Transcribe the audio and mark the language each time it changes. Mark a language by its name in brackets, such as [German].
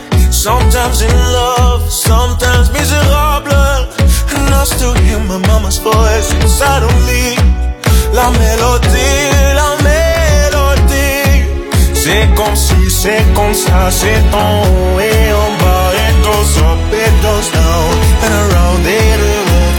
[English] Sometimes in love, sometimes miserable. And I still hear my mama's voice inside of me. [French] La mélodie, la mélodie. C'est comme si, c'est comme ça. C'est en haut et en bas. [English] It goes up, it goes down, and around it all.